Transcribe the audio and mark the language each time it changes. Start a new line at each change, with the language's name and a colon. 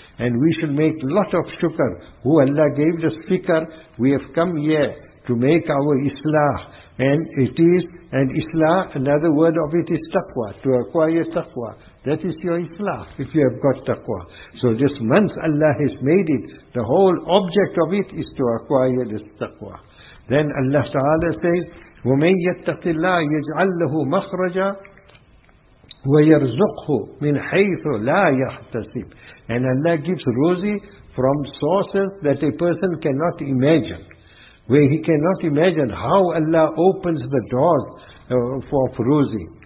English: And we should make lot of shukr. Who Allah gave this fikr, we have come here to make our islah. And it is, and islah, another word of it is taqwa, to acquire taqwa. That is your islah, if you have got taqwa. So this month Allah has made it, the whole object of it is to acquire this taqwa. Then Allah Ta'ala says,
Arabic: وَمَنْ يَتَّقِ اللَّهِ يَجْعَلْ لَهُ مَخْرَجًا وَيَرْزُقْهُ مِنْ حَيْثُ لَا يَحْتَسِبُ.
English: And Allah gives rosy from sources that a person cannot imagine. Where he cannot imagine how Allah opens the doors for Firuzi.